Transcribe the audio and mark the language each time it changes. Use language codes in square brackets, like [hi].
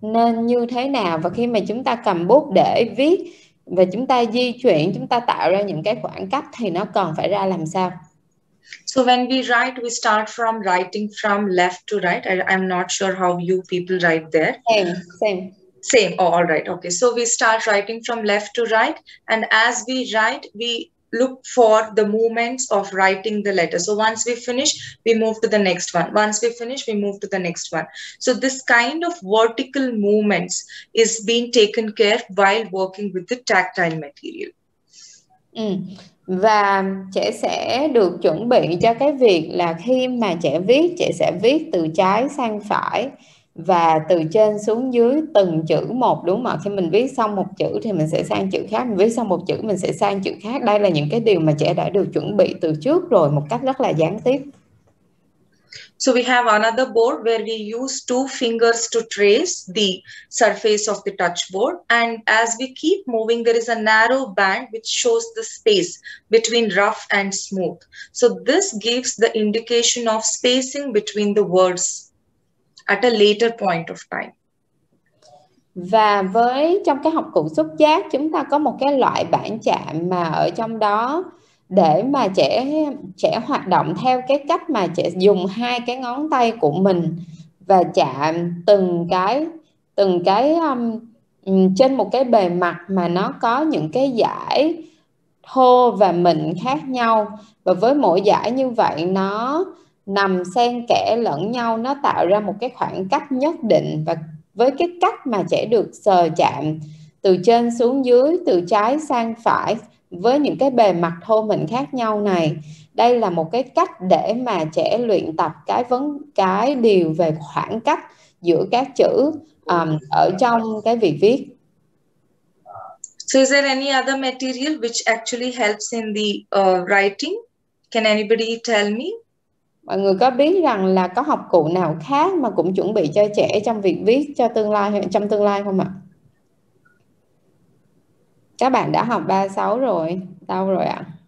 [vi] nên như thế nào, và khi mà chúng ta cầm bút để viết và chúng ta di chuyển, chúng ta tạo ra những cái khoảng cách thì nó cần phải ra làm sao? [en] So when we write, we start from writing from left to right. I'm not sure how you people write there. Same. Same. Oh, all right. Okay. So we start writing from left to right. And as we write, we look for the movements of writing the letter. So once we finish, we move to the next one. Once we finish, we move to the next one. So this kind of vertical movements is being taken care of while working with the tactile material. [vi] Và trẻ sẽ được chuẩn bị cho cái việc là khi mà trẻ sẽ viết từ trái sang phải và từ trên xuống dưới từng chữ một, đúng không ạ? Khi mình viết xong một chữ thì mình sẽ sang chữ khác, mình viết xong một chữ mình sẽ sang chữ khác. Đây là những cái điều mà trẻ đã được chuẩn bị từ trước rồi một cách rất là gián tiếp. [en] So we have another board where we use two fingers to trace the surface of the touch board. And as we keep moving, there is a narrow band which shows the space between rough and smooth. So this gives the indication of spacing between the words at a later point of time. [vi] Và với trong cái học cụ xúc giác, chúng ta có một cái loại bảng chạm mà ở trong đó để mà trẻ hoạt động theo cái cách mà trẻ dùng hai cái ngón tay của mình và chạm từng cái trên một cái bề mặt mà nó có những cái dải thô và mịn khác nhau, và với mỗi dải như vậy nó nằm xen kẽ lẫn nhau, nó tạo ra một cái khoảng cách nhất định. Và với cái cách mà trẻ được sờ chạm từ trên xuống dưới, từ trái sang phải với những cái bề mặt thô mịn khác nhau này, đây là một cái cách để mà trẻ luyện tập cái điều về khoảng cách giữa các chữ ở trong cái việc viết. [en] So is there any other material which actually helps in the writing? Can anybody tell me? [vi] Mọi người có biết rằng là có học cụ nào khác mà cũng chuẩn bị cho trẻ trong việc viết cho tương lai, trong tương lai không ạ? Các bạn đã học 36 rồi, đâu rồi ạ?